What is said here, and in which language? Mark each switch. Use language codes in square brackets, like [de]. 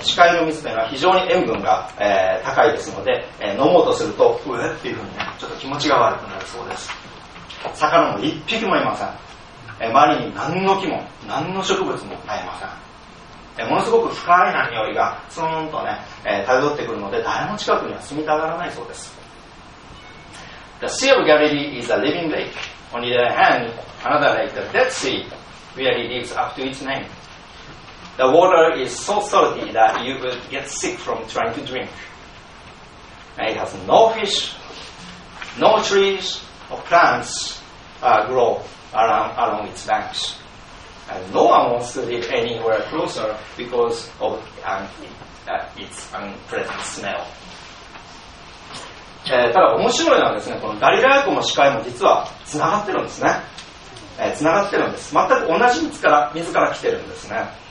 [ja] 死海の水というのは非常に塩分が、高いですので、飲もうとするとうえっていうふうにね、ちょっと気持ちが悪くなるそうです。魚も一匹もいません。周りに何の木も何の植物もありません。ものすごく深いな匂いがツーンとね、漂ってくるので誰も近くには住みたがらないそうです。 [en] The Sea of Galilee is a living lake. On the other hand, another lake, the Dead SeaReally lives up to its name. The water is so salty that you would get sick from trying to drink. And it has no fish, no trees or plants grow along its banks. And no one wants to live anywhere closer because of its unpleasant smell. [ja] ただ面白いのはですね、このガリラヤ湖の視界も実はつながってるんですね。つながってるんです。全く同じ水から来てるんですね。